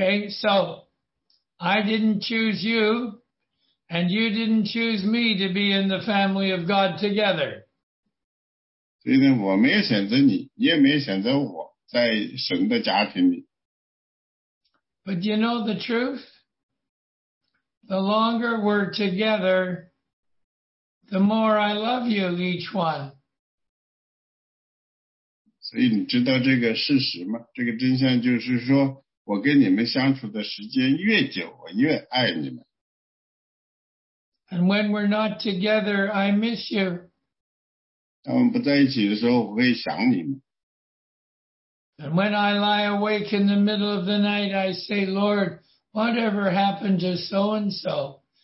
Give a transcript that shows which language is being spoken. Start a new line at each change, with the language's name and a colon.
English: so I didn't choose you and you didn't choose me to be in the family of God together.
Chinese: 所以呢，我没有选择你，你也没有选择我在神的家庭里。
English: But you know the truth? The longer we're together, the more I love you each one.
Chinese: 所以你知道这个事实吗?这个真相就是说, 我跟你们相处的时间越久, 我越爱你们。
English: And when we're not together, I miss you.
Chinese: 当我们不在一起的时候, 我会想你们。
English: And when I lie awake in the middle of the night, I say, Lord, whatever happened to so-and-so?